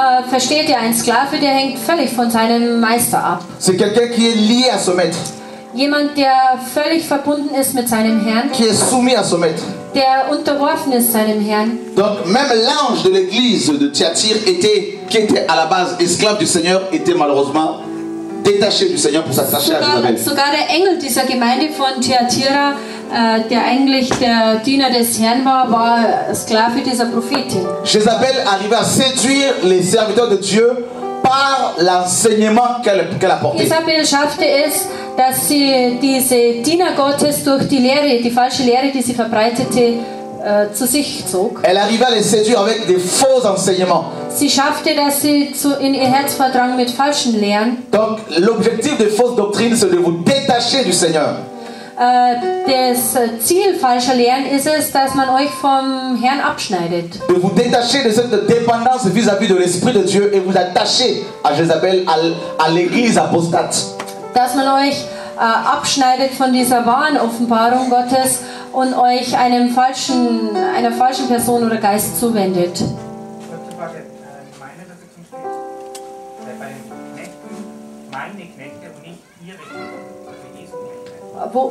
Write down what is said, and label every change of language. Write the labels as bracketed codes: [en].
[de] Versteht ihr, ein Sklave, der hängt völlig von seinem Meister ab. [fr] C'est quelqu'un qui est lié à son maître. [de] Jemand, der völlig verbunden ist mit seinem Herrn, [fr] qui est soumis à son maître. [de] Der unterworfen ist seinem Herrn. [fr] Donc même l'ange de l'église de Thyatire qui était à la base esclave du Seigneur, était malheureusement détaché du Seigneur pour s'attacher à Jézabel. [de] Sogar der Engel dieser Gemeinde von Thyatira, der eigentlich der Diener des Herrn war, war Sklave dieser Prophetin. [fr] Jézabel arrivait à séduire les serviteurs de Dieu par l'enseignement qu'elle apportait. [de] Jézabel schaffte es, dass sie diese Diener Gottes durch die Lehre, die falsche Lehre, die sie verbreitete, zu sich zog. [fr] Elle arriva à les séduire avec des faux enseignements. [de] Sie schaffte, dass sie in ihr Herz verdrang mit falschen Lehren. [fr] Donc, l'objectif des fausses doctrines, c'est de vous détacher du Seigneur. [de] Das Ziel falscher Lehren ist es, dass man euch vom Herrn abschneidet. [fr] De vous détacher de cette dépendance vis-à-vis de l'Esprit de Dieu et vous attacher à Jézabel, à l'Église apostate. [de] Dass man euch abschneidet von dieser wahren Offenbarung Gottes und euch einer falschen Person oder Geist zuwendet. Kurze Frage, meine Versetzung steht bei den Knechten, meine Knechte und nicht ihre Knechte, also